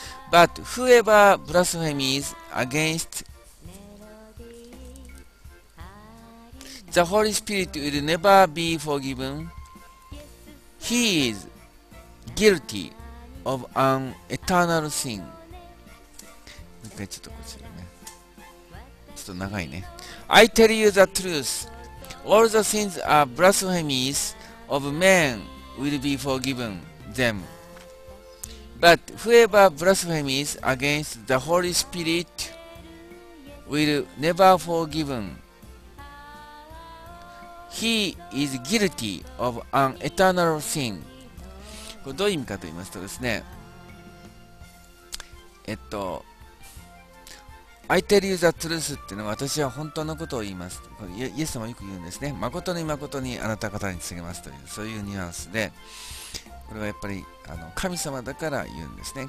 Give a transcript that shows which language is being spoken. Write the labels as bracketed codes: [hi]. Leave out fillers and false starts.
[en] But whoever blasphemes against the Holy Spirit will never be forgiven. He is guilty of an eternal sin. [ja] もう一回ちょっとこちらね、ちょっと長いね。 [en] I tell you the truth. All the sins are blasphemies of men will be forgiven them. But whoever blasphemes against the Holy Spirit will never be forgiven. He is guilty of an eternal sin. [ja] これどういう意味かと言いますとですね、 [en] I tell you the truth [ja] っていうのは、私は本当のことを言います。イエス様よく言うんですね。誠に誠にあなた方に告げますという、そういうニュアンスで、これはやっぱり神様だから言うんですね。